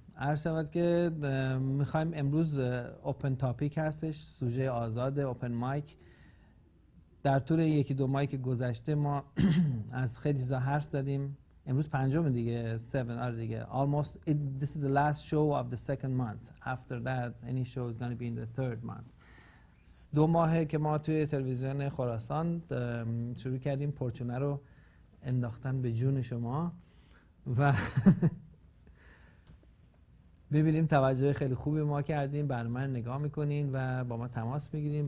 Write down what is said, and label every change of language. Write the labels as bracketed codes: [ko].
[fa] عرشبت که میخواییم امروز اوپن تاپیک هستش، سوژه آزاد اوپن مایک. در طول یکی دو مایک گذشته ما از خیلی چیزا حرف زدیم. امروز پنجمه دیگه، 7 آره دیگه. [en] Almost, this is the last show of the second month. After that, any show is going to be in the third month. [fa] دو ماهه که ما توی تلویزیون خراسان شروع کردیم پرچونه رو انداختن به جون شما و ببینیم توجه خیلی خوبی ما کردیم، برنامه رو نگاه میکنین و با ما تماس میگیریم.